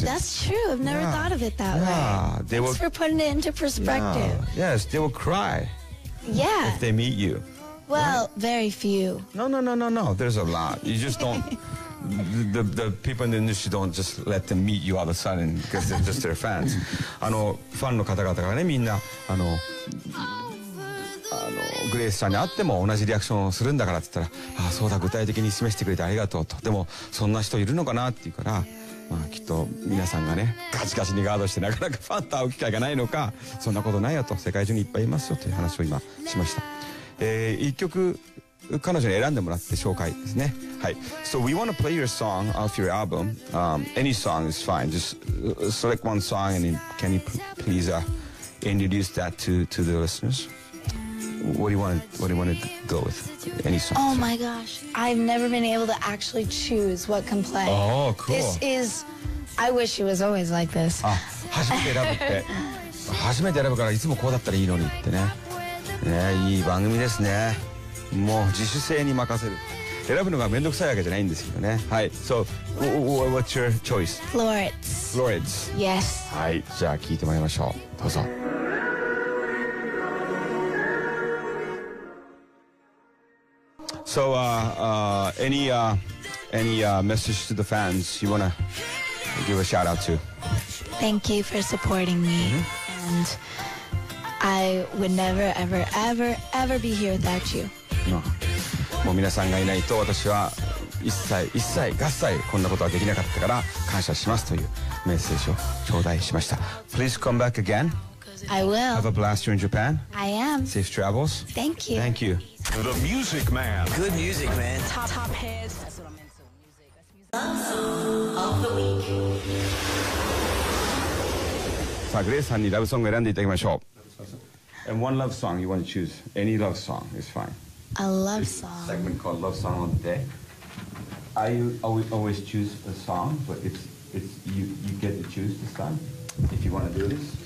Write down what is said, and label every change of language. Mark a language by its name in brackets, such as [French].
[English] That's true. I've never thought of it that way. They will, thanks for putting it into perspective. Yes, they will cry. Yeah. If they meet you. Well, right? Very few. No. There's a lot. You just don't. The people in the industry don't just let them meet you all of a sudden because they're just their fans. [Japanese] あのファンの方々がね、みんなあのグレースさんに会っても同じリアクションをするんだからって言ったら、ああそうだ、具体的に示してくれてありがとうと、でもそんな人いるのかなって言うから、まあきっと皆さんがねガチガチにガードしてなかなかファンと会う機会がないのか、そんなことないよと、世界中にいっぱいいますよという話を今しました。一曲彼女に選んでもらって紹介ですね。はい、 [English] So we want to play your song off your album、any song is fine, just select one song and can you please、introduce that to the listenersWhat do you want to go with? Any song? Oh my gosh. I've never been able to actually choose what can play. Oh, cool. This is... I wish it was always like this. [Japanese] Ah, 初めて選ぶって。初めて選ぶからいつもこうだったらいいのにってね。ね、いい番組ですね。もう自主性に任せる。選ぶのがめんどくさいわけじゃないんですけどね。はい。 [English] So, what's your choice? Florence. Yes. [Japanese] はい。じゃあ聞いてもらいましょう。どうぞ。 [English] So, any message to the fans you want to give a shout out to? Thank you for supporting me.、Mm-hmm. And I would never, ever, ever, ever be here without you. No. [Japanese] もう皆さんがいないと私は一切合切こんなことはできなかったから感謝しますというメッセージを頂戴しました。 [English] Please come back again. I will. Have a blast here in Japan. I am. Safe travels. Thank you. Thank you. The Music Man. Good music, man. Top hits. That's what I meant. So music. That's music. Love song of the week. [Japanese] さあ、グレイさんにラブソングを選んでいただきましょう。 [English] And one love song you want to choose. Any love song is fine. A love song. This segment called Love Song of the Day. I always choose a song, but it's you get to choose this time if you want to do this.